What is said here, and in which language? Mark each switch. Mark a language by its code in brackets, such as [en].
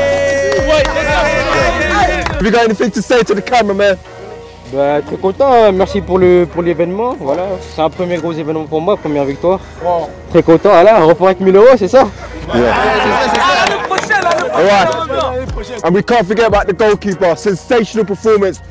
[en] Have you got anything to say to the cameraman? [fr] Bah, très content, merci pour l'événement. Voilà, c'est un premier gros événement pour moi, première victoire. Wow. Très content, voilà, on repart avec 1000 euros, c'est ça? [en] Yeah. Alright, and we can't forget about the goalkeeper, sensational performance.